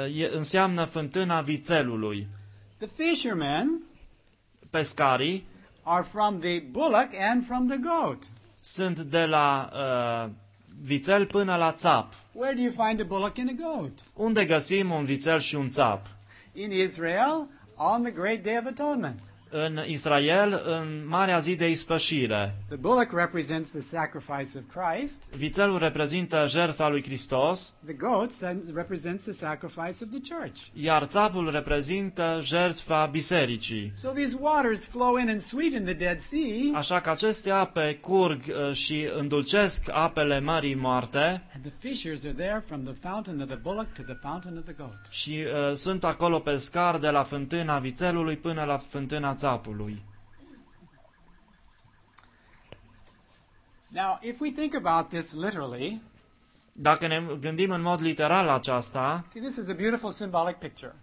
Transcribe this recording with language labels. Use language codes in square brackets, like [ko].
[ro] Înseamnă fântâna vițelului. [en] The fishermen. [ro] Pescarii. [en] are from the bullock and from the goat. [ro] Sunt de la vițel până la țap. [en] Where do you find a bullock and a goat? [ro] Unde găsim un vițel și un țap? [en] In Israel, on the great day of atonement. [ro] În Israel, în marea zi de ispășire. [en] The bullock represents the sacrifice of Christ. [ro] Vițelul reprezintă jertfa lui Hristos. [en] The goat represents the sacrifice of the church. [ro] Iar țapul reprezintă jertfa bisericii. [en] So these waters flow in and sweeten the Dead Sea. [ro] Așa că aceste ape curg și îndulcesc apele Mării Moarte. [en] And the fishers are there from the fountain of the bullock to the fountain of the goat. [ro] Și sunt acolo pescari de la fântâna vițelului până la fântâna țapului. [en] Now, if we think about this literally, [ro] dacă ne gândim în mod literal aceasta, [en] see, this is a beautiful symbolic picture.